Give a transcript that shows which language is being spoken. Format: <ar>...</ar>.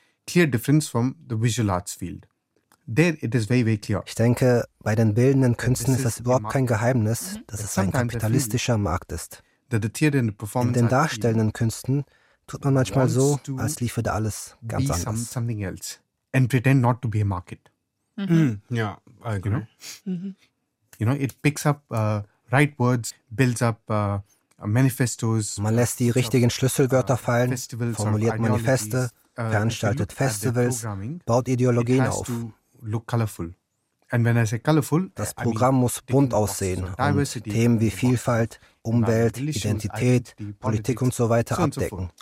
<en>Clear difference from the visual arts field. There it is very, very clear.</en> <de>Ich denke, bei den bildenden Künsten ist das überhaupt kein Geheimnis, dass es ein kapitalistischer Markt ist. In den darstellenden Künsten tut man manchmal so, als liefe da alles ganz anders.</de> <en>Something else. And pretend not to be a market. Mm-hmm. Mm, yeah, I agree. You know, you know, it picks up right words, builds up manifestos.</en> <de>Man lässt die richtigen Schlüsselwörter fallen, formuliert Manifeste, veranstaltet Festivals, baut Ideologien auf.</de> <en>Look colorful. And when I say colorful,</en> <de>das Programm muss bunt aussehen und Themen wie Vielfalt, Umwelt, Identität, Politik und so weiter abdecken.</de>